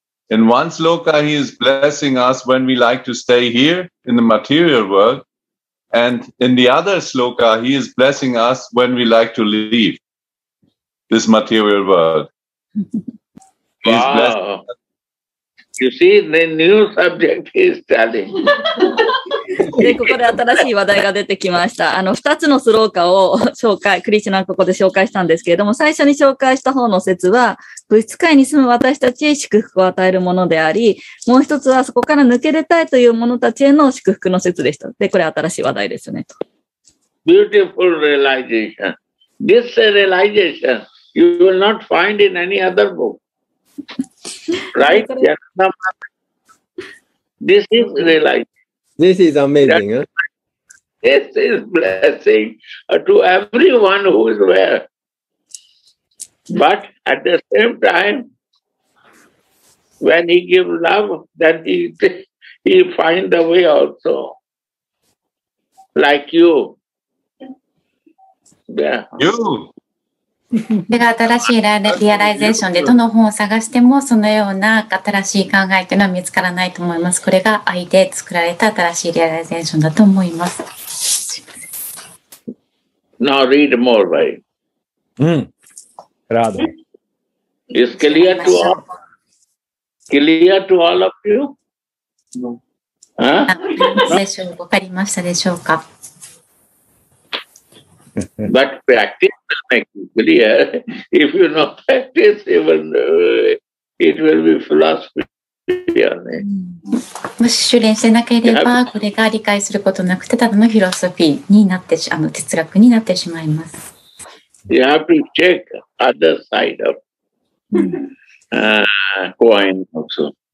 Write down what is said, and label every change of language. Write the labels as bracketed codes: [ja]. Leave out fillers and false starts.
[en] In one sloka, he is blessing us when we like to stay here in the material world. And in the other sloka, he is blessing us when we like to leave this material world. He is blessing us. You see, the new subject is telling. [ja] で、ここで新しい話題が出てきました。二つのスローカーを紹介、クリシュナはここで紹介したんですけれども、最初に紹介した方の説は、物質界に住む私たちへ祝福を与えるものであり、もう一つはそこから抜け出たいという者たちへの祝福の説でした。で、これ新しい話題ですね。 [en] Beautiful realization. This realization you will not find in any other book. Right? This is realization. This is amazing. This is blessing to everyone who is there. But at the same time, when he gives love, then he finds a way also. Like you. Yeah. You. [ja] で、新しいリアライゼーションでどの本を探してもそのような新しい考えというのは見つからないと思います。これが愛で作られた新しいリアライゼーションだと思います。 [en] Now read more, right? [ja] うん、Radha. [en] Is clear to all? Clear to all of you? No. [ja] セッション分かりましたでしょうか？ [en] But practice will make it clear. If you not practice, it will be philosophy. [ja] もし修練してなければ、これが理解することなくて、ただのフィロソフィーになって、哲学になってしまいます。 [en] You have to check other side of coin also.